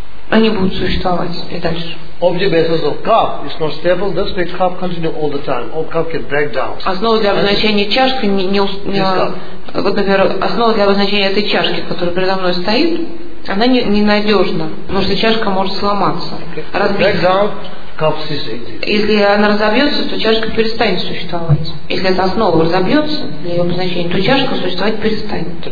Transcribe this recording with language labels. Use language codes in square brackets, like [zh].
[ru] Они будут существовать и дальше. [en] Object-based of cup is not stable. Thus way, cup continue all the time. All cup can break down. [ru] Основа для обозначения чашки вот, например, основа для обозначения этой чашки, которая передо мной стоит. Она ненадежна, потому что чашка может сломаться, разбиться. Если она разобьется, то чашка перестанет существовать. Если эта основа разобьется, для ее обозначения, то чашка существовать перестанет.